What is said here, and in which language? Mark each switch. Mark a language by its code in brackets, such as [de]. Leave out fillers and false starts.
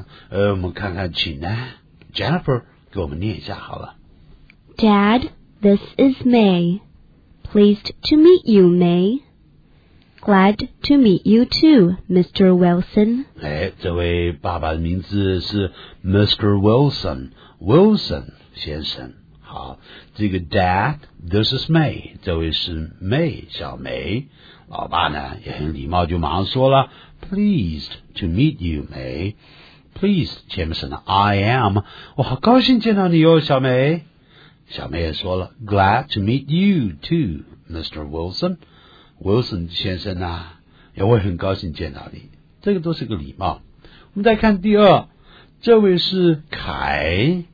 [zh] 我们看看，请呢 Jennifer 给我们念一下好了。 [en] Dad. This is May. Pleased to meet you, May. Glad to meet you too, Mr. Wilson. [zh] 哎，这位爸爸的名字是 Mr. Wilson. Wilson 先生。好，这个 [en] Dad, this is May. [zh] 这位是 May, 小梅。老爸呢，也很礼貌，就马上说了 [en] Pleased to meet you, May. Pleased, [zh] 前面是 [en] I am. [zh] 我好高兴见到你哦，小梅。小梅也说了 , [en] glad to meet you too, Mr. Wilson. [zh] Wilson 先生啊，也会很高兴见到你。这个都是个礼貌。我们再看第二，这位是凯。